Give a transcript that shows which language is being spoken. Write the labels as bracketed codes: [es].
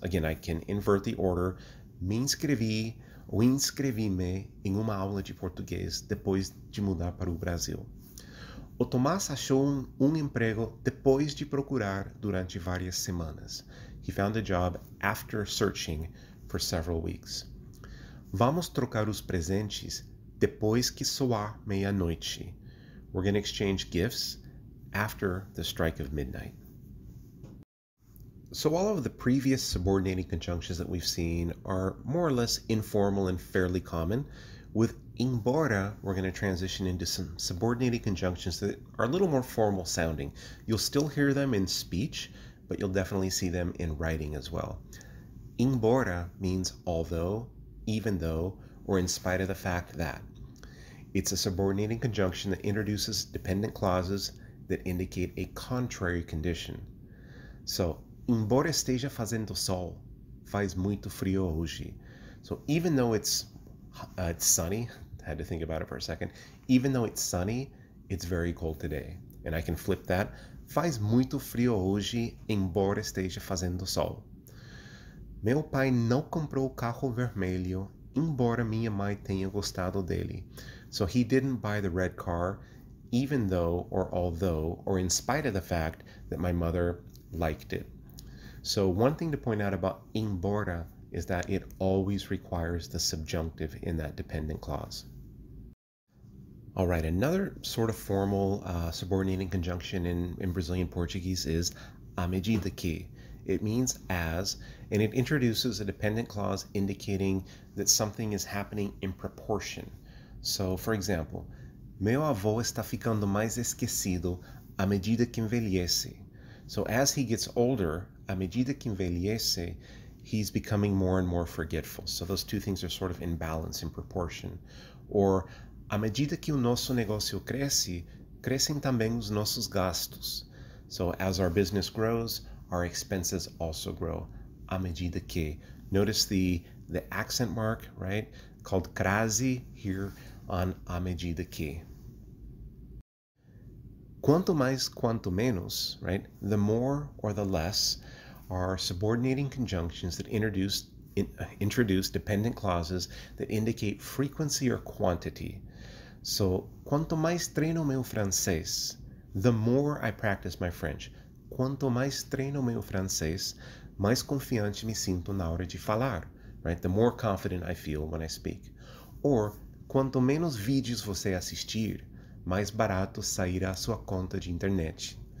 [en] Again, I can invert the order. [pt] Me inscrevi ou inscrevi-me em uma aula de português depois de mudar para o Brasil. O Tomás achou um emprego depois de procurar durante várias semanas. [en] He found a job after searching for several weeks. [pt] Vamos trocar os presentes depois que soar meia-noite. [en] We're going to exchange gifts after the strike of midnight. So all of the previous subordinating conjunctions that we've seen are more or less informal and fairly common. With embora, we're going to transition into some subordinating conjunctions that are a little more formal sounding. You'll still hear them in speech, but you'll definitely see them in writing as well. Embora means although, even though, or in spite of the fact that. It's a subordinating conjunction that introduces dependent clauses that indicate a contrary condition. [pt] So, embora esteja fazendo sol, faz muito frio hoje. [en] So, even though it's sunny, I had to think about it for a second, even though it's sunny, it's very cold today. And I can flip that. [pt] Faz muito frio hoje, embora esteja fazendo sol. Meu pai não comprou o carro vermelho, embora minha mãe tenha gostado dele. [en] So he didn't buy the red car, even though, or although, or in spite of the fact that my mother liked it. So one thing to point out about embora is that it always requires the subjunctive in that dependent clause. All right, another sort of formal subordinating conjunction in Brazilian Portuguese is à medida que. It means as, and it introduces a dependent clause indicating that something is happening in proportion. So, for example, [pt] meu avô está ficando mais esquecido à medida que envelhece. [en] So, as he gets older, [pt] à medida que envelhece, [en] he's becoming more and more forgetful. So, those two things are sort of in balance, in proportion. [pt] Or, à medida que o nosso negócio cresce, crescem também os nossos gastos. [en] So, as our business grows, our expenses also grow. À medida que. Notice the accent mark, right? Called crase here on à medida que. [pt] Quanto mais, quanto menos, right? [en] The more or the less are subordinating conjunctions that introduce dependent clauses that indicate frequency or quantity. So, [pt] quanto mais treino meu francês, [en] the more I practice my French. [pt] Quanto mais treino meu francês, mais confiante me sinto na hora de falar, right? [en] The more confident I feel when I speak. [pt] Or, quanto menos vídeos você assistir, mais barato sairá sua conta de internet.